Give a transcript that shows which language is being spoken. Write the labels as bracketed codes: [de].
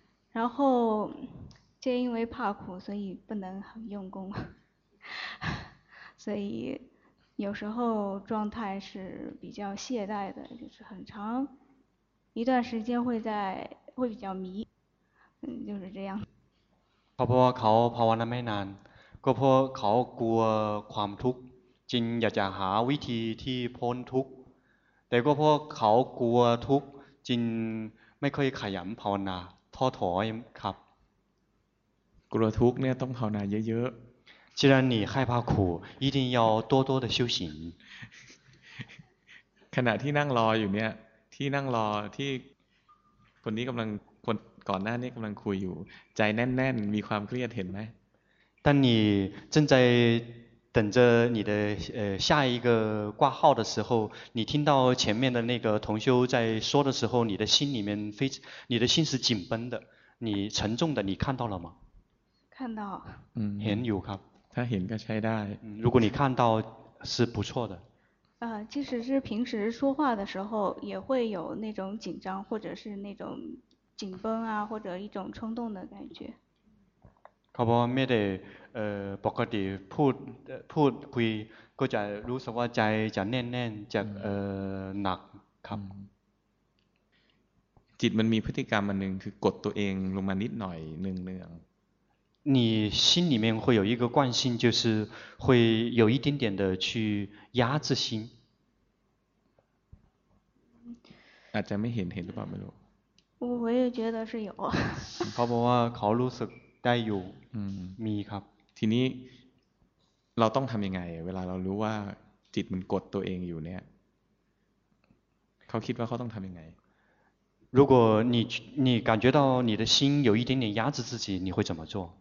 [zh] 然后就因为怕苦，所以不能很用功，所以有时候状态是比较懈怠的，就是很长一段时间会比较迷，就是这样。 [th] เพราะว่าเขาภาวนาไม่นานก็เพราะเขากลัวความทุกข์จึงอยากจะหาวิธีที่พ้นทุกข์แต่ก็เพราะเขากลัวทุกข์จึงไม่ค่อยขยันภาวนาท้อถอยครับ กลัวทุกข์เนี่ยต้องภาวนาเยอะ [zh] ๆ既然你害怕苦一定要多多的修行 [th] ขณะที่นั่งรออยู่เนี่ยที่นั่งรอที่คนนี้กำลังคนก่อนหน้านี้กำลังคุยอยู่ใจแน่นๆมีความเครียดเห็นไหม [zh] 当你正在等着你的下一个挂号的时候，你听到前面的那个同修在说的时候，你的心里面非你的心是紧绷的，你沉重的，你看到了吗？看到。很有哈。他很该猜到。如果你看到是不错的。即使是平时说话的时候，也会有那种紧张或者是那种紧绷啊，或者一种冲动的感觉。 [th] เขาบอกว่าไม่ได้ปกติพูดคุยก็จะรู้สึกว่าใจจะแน่นๆจะหนักครับ จิตมันมีพฤติกรรมอันหนึ่งคือกดตัวเองลงมานิดหน่อยเนือง [zh] ๆ你心里面会有一个惯性就是会有一点点的去压制心 [th] อาจจะไม่เห็นหรือเปล่าไม่รู้ [zh] 我也觉得是有 [th] เขาบอกว่าเขารู้สึกได้อยู่มีครับ ทีนี้เราต้องทำยังไงเวลาเรารู้ว่าจิตมันกดตัวเองอยู่เนี่ยเขาคิดว่าเขาต้องทำยังไง [zh] 如果你感觉到你的心有一点点压制自己你会怎么做